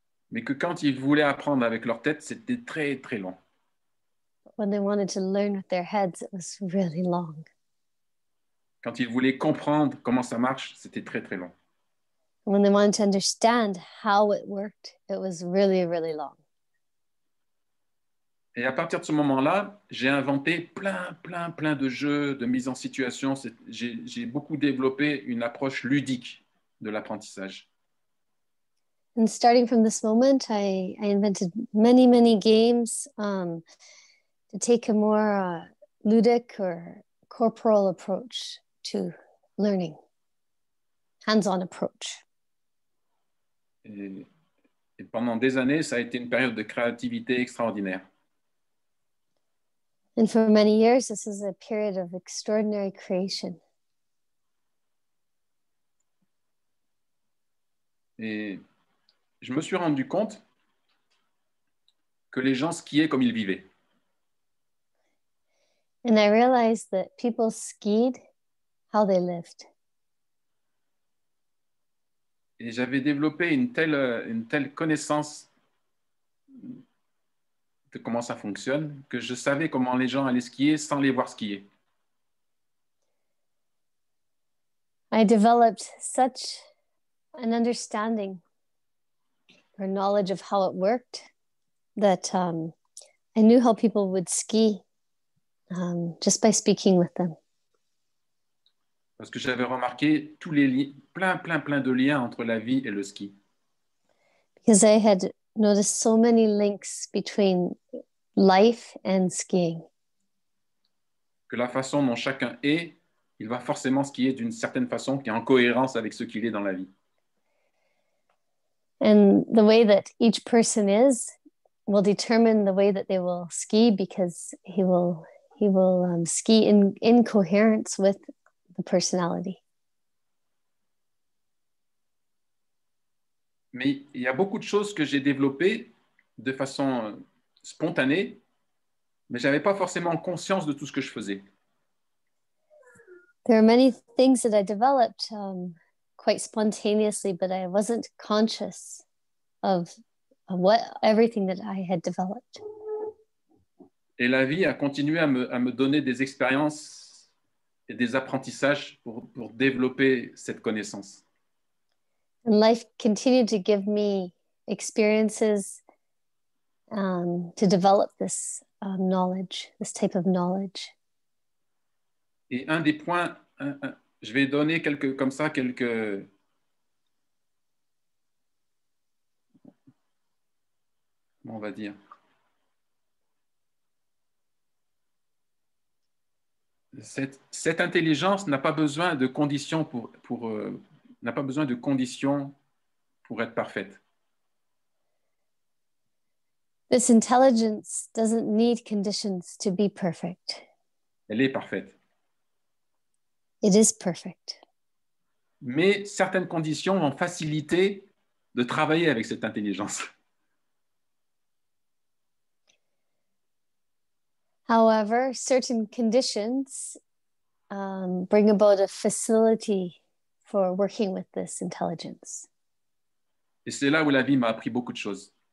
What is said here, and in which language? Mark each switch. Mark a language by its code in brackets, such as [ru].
[fr] Mais que quand ils voulaient apprendre avec leur tête, c'était très, très long. [en] When they wanted to learn with their heads, it was really long. [fr] Quand ils voulaient comprendre comment ça marche, c'était très, très long. [en] When they wanted to understand how it worked, it was really, really long. [fr] Et à partir de ce moment-là, j'ai inventé plein de jeux, de mise en situation. J'ai beaucoup développé une approche ludique de l'apprentissage. [en] And starting from this moment, I invented many, many games to take a more ludic or corporal approach to learning, hands-on approach. [fr] Et pendant des années, ça a été une période de créativité extraordinaire. [en] And for many years, this was a period of extraordinary creation. [fr] Et je me suis rendu compte que les gens skiaient comme ils vivaient. [en] And I realized that people skied how they lived. [fr] Et j'avais développé une telle connaissance de comment ça fonctionne que je savais comment les gens allaient skier sans les voir skier. [en] I developed such an understanding or knowledge of how it worked, that I knew how people would ski just by speaking with them. [fr] Parce que j'avais remarqué tous les plein de liens entre la vie et le ski. [en] Because I had noticed so many links between life and skiing. [fr] Que la façon dont chacun est, il va forcément skier d'une certaine façon qui est en cohérence avec ce qu'il est dans la vie. [en] And the way that each person is will determine the way that they will ski, because he will ski in coherence with the personality. [fr] Mais il y a beaucoup de choses que j'ai développées de façon spontanée, mais j'avais pas forcément conscience de tout ce que je faisais. [en] There are many things that I developed quite spontaneously, but I wasn't conscious of what everything that I had developed. [fr] Et la vie a continué à me donner des expériences et des apprentissages pour développer cette connaissance. [en] And life continued to give me experiences to develop this knowledge, this type of knowledge. [fr] Et un des points, je vais donner quelques, comme ça, quelques... on va dire. Cette intelligence n'a pas besoin de conditions n'a pas besoin de conditions pour être parfaite. [en] This intelligence doesn't need conditions to be perfect. [fr] Elle est parfaite. [en] It is perfect. [fr] Mais certaines conditions vont faciliter de travailler avec cette intelligence. [en] However, certain conditions bring about a facility for working with this intelligence. [fr] Et c'est là où la vie m'a appris beaucoup de choses.